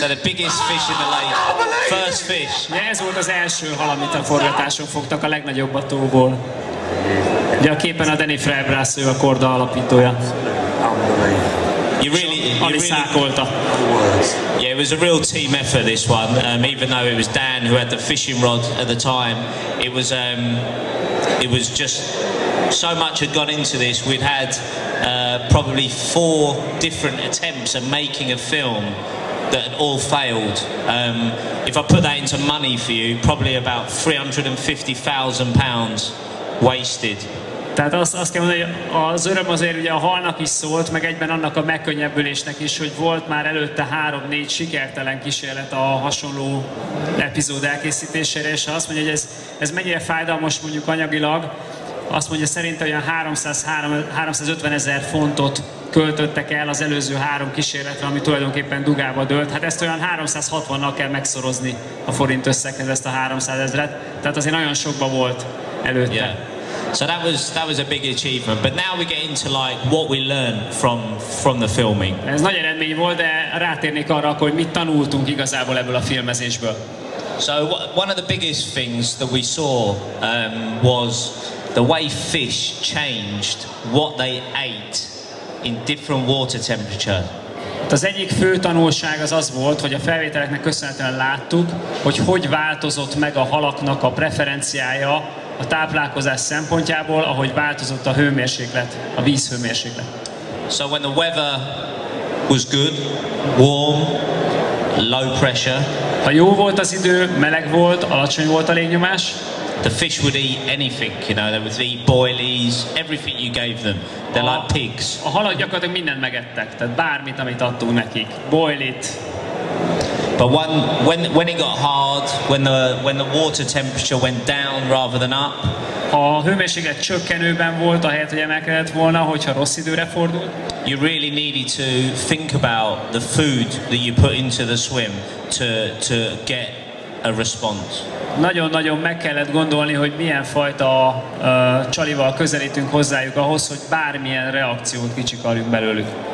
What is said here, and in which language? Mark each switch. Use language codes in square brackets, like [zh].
[en] So the biggest fish in the lake, first fish. [hu] Ez volt az első hal, amit a forgatáson fogtak, a legnagyobb a tóból. Ugye a képen a Danny Freibrass, ő a korda alapítója. [en] Yeah, it was a real team effort, this one. Even though it was Dan who had the fishing rod at the time, it was just so much had gone into this. We'd had probably 4 different attempts at making a film that had all failed. If I put that into money for you, probably about £350,000 wasted. [hu] Tehát azt kell mondani, hogy az öröm azért ugye a halnak is szólt, meg egyben annak a megkönnyebbülésnek is, hogy volt már előtte 3-4 sikertelen kísérlet a hasonló epizód elkészítésére, és azt mondja, hogy ez mennyire fájdalmas mondjuk anyagilag, azt mondja szerint olyan 350 000 fontot költöttek el az előző 3 kísérletre, ami tulajdonképpen dugába dőlt. Hát ezt olyan 360-nal kell megszorozni a forint összeghez, ezt a 300 000-et. Tehát azért nagyon sokba volt előtte. [en] Yeah. So that was a big achievement, but now we get into like what we learned from the filming. [hu] Ez nagy eredmény volt, de rátérnék arra, hogy mit tanultunk igazából ebből a filmezésből. [en] So one of the biggest things that we saw was the way fish changed what they ate in different water temperature. [hu] Az egyik fő tanulság az volt, hogy a felvételeknek köszönhetően láttuk, hogy hogy változott meg a halaknak a preferenciája a táplálkozás szempontjából, ahogy változott a hőmérséklet, a vízhőmérséklet. [en] So when the weather was good, warm, low pressure. [hu] Ha jó volt az idő, meleg volt, alacsony volt a légnyomás. [en] The fish would eat anything, you know, they would eat boilies, everything you gave them. They're like pigs. [hu] A halak gyakorlatilag mindent megettek, tehát bármit, amit adtunk nekik. Boilit. [en] But when it got hard, when the water temperature went down rather than up. [hu] Ha a hőmérséklet csökkenőben volt, ahelyett, hogy emelkedett volna, hogyha rossz időre fordult. [en] You really needed to think about the food that you put into the swim to get a response. [hu] Nagyon-nagyon meg kellett gondolni, hogy milyen fajta csalival közelítünk hozzájuk ahhoz, hogy bármilyen reakciót kicsikarjunk belőlük.